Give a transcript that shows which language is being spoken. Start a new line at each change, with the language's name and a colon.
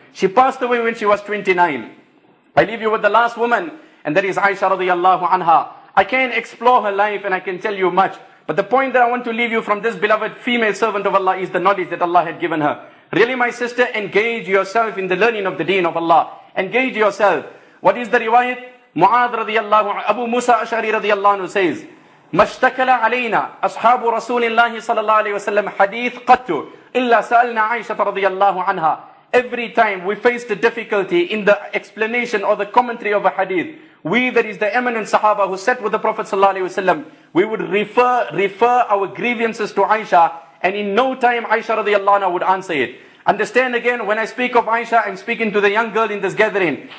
English: She passed away when she was 29. I leave you with the last woman, and that is Aisha
Arabic: radiallahu anha.
English: I can explore her life and I can tell you much. But the point that I want to leave you from this beloved female servant of Allah is the knowledge that Allah had given her. Really, my sister, engage yourself in the learning of the deen of Allah. Engage yourself. What is the riwayat? Mu'adh radiallahu anha, Abu Musa Ash'ari radiallahu anhu says,
Arabic: مَشْتَكَلَ عَلَيْنَا أَصْحَابُ رَسُولِ اللَّهِ صَلَى اللَّهِ عَلَيْهِ وَسَلَّمَ حَدِيثٌ قَتُّ إِلَّا سَأَلْنَا عَيْشَةَ رَضِيَ اللَّهُ عَنْهَا.
English: Every time we faced a difficulty in the explanation or the commentary of a hadith, we, that is the eminent Sahaba who sat with the Prophet
Arabic: صلى الله عليه وسلم,
English: we would refer our grievances to Aisha, and in no time Aisha
Arabic: رضي الله عنها
English: would answer it. Understand again, when I speak of Aisha, I'm speaking to the young girl in this gathering.